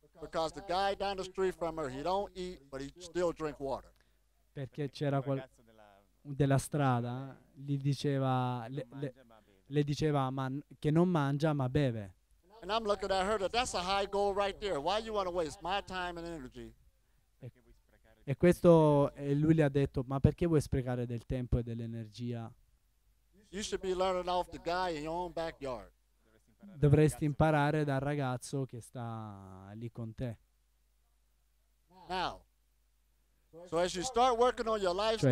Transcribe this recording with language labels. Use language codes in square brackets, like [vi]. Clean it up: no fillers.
[en] Because the guy down the street from her, he don't eat, but he still drink water. [it] Perché c'era quel della strada, gli diceva, le diceva che non mangia ma beve. [en] And I'm looking at her, that's a high goal right there. Why you want to waste my time and energy? [it] E questo, lui le ha detto, ma perché vuoi sprecare del tempo e dell'energia? [en] You should be learning off the guy in your own backyard. [it] Dovresti imparare dal ragazzo che sta lì con te. [en] Now, so as you start working on your lifestyle,